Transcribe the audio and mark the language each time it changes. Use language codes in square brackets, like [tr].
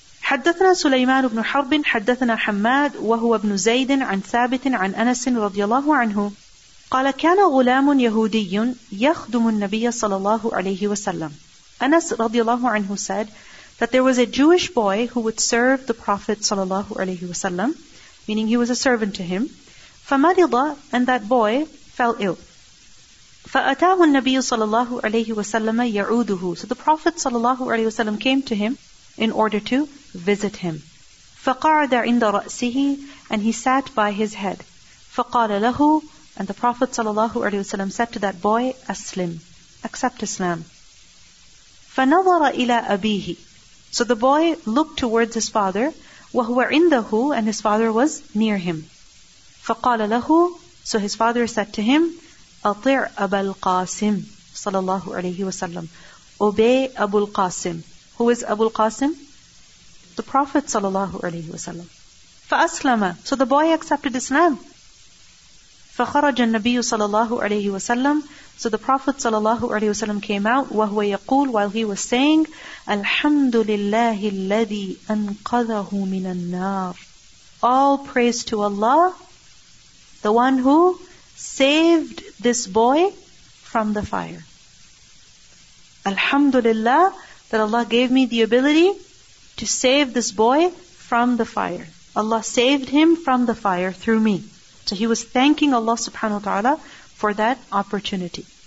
[ar] حدثنا سليمان بن حرب حدثنا حماد وهو ابن زيد عن ثابت عن أنس رضي الله عنه قال كان غلام يهودي يخدم النبي صلى الله عليه وسلم. [en] أنس رضي الله عنه said that there was a Jewish boy who would serve the Prophet صلى الله عليه وسلم, meaning he was a servant to him. [ar] فمرض, [en] and that boy fell ill. [ar] فأتاه النبي صلى الله عليه وسلم يعوده. [en] So the Prophet صلى الله عليه وسلم came to him in order to visit him. [ar] فقعد عند رأسه, [en] and he sat by his head. [ar] فقال له, [en] and the Prophet صلى الله عليه وسلم said to that boy, [ar] أسلم, [en] accept Islam. [ar] فنظر إلى أبيه. [en] So the boy looked towards his father, [ar] وهو عنده, [en] and his father was near him. [ar] فقال له, [en] so his father said to him, [ar] أطيع أبا القاسم صلى الله عليه وسلم, [en] obey Abu al-Qasim. Who is Abu al-Qasim? The Prophet صلى الله عليه وسلم. [ar] فأسلم, [en] so the boy accepted Islam. [ar] فخرج النبي صلى الله عليه وسلم, [en] so the Prophet [ar] صلى الله عليه وسلم [en] came out, [ar] وهو يقول, [en] while he was saying, [ar] الحمد لله الذي أنقذه من النار. [en] All praise to Allah, the one who saved this boy from the fire. Alhamdulillah, that Allah gave me the ability to save this boy from the fire. Allah saved him from the fire through me. So he was thanking Allah subhanahu wa ta'ala for that opportunity.